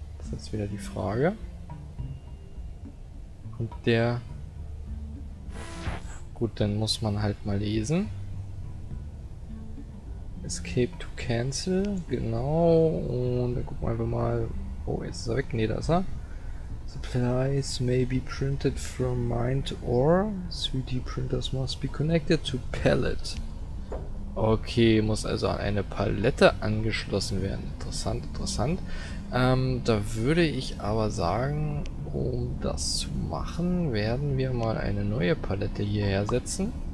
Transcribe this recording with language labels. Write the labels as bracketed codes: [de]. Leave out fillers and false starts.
[de] Das ist jetzt wieder die Frage. Kommt der... Gut, dann muss man halt mal lesen. [en] Escape to cancel. [de] Genau. Und dann gucken wir einfach mal... Oh, jetzt ist er weg. Nee, da ist er. [en] Supplies may be printed from mined ore. 3D printers must be connected to pallet. [de] Okay, muss also an eine Palette angeschlossen werden. Interessant, interessant. Da würde ich aber sagen, um das zu machen, werden wir mal eine neue Palette hierher setzen.